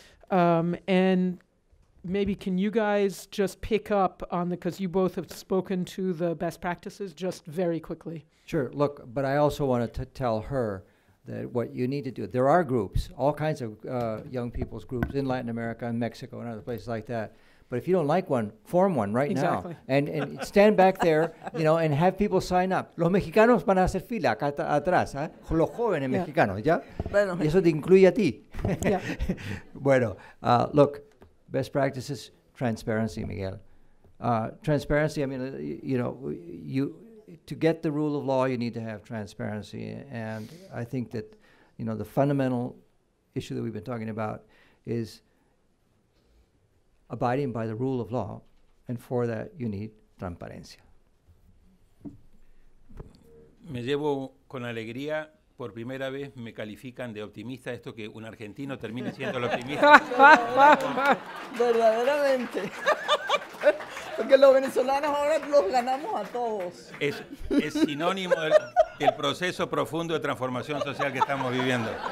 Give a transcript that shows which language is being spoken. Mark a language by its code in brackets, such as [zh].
[en] And maybe can you guys just pick up on the, because you both have spoken to the best practices, just very quickly. Sure, look, but I also want to tell her that what you need to do. There are groups, all kinds of young people's groups in Latin America and Mexico and other places like that. But if you don't like one, form one right exactly. now. And stand back there, you know, and have people sign up. [es] Los mexicanos van a hacer fila acá atrás, ¿eh? Los jóvenes mexicanos, ¿ya? Bueno. Y eso te incluye a ti. [en] Yeah. Bueno, look, best practices, transparency, Miguel. Transparency, I mean, you know, you to get the rule of law, you need to have transparency. And I think that, you know, the fundamental issue that we've been talking about is abiding by the rule of law, and for that you need transparencia. [es] Me llevo con alegría, por primera vez me califican de optimista, esto que un argentino termine siendo el optimista. Verdaderamente. Porque los venezolanos ahora los ganamos a todos. Es sinónimo del proceso profundo de transformación social que estamos viviendo.